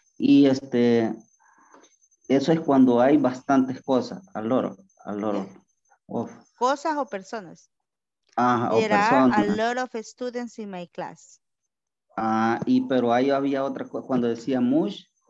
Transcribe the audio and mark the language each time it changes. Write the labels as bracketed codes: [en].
[es] y eso es cuando hay bastantes cosas, [en] a lot of. [es] Cosas o personas. Ajá, o personas. [en] There are a lot of students in my class. [es] Ah, y pero ahí había otra cosa, cuando decía much.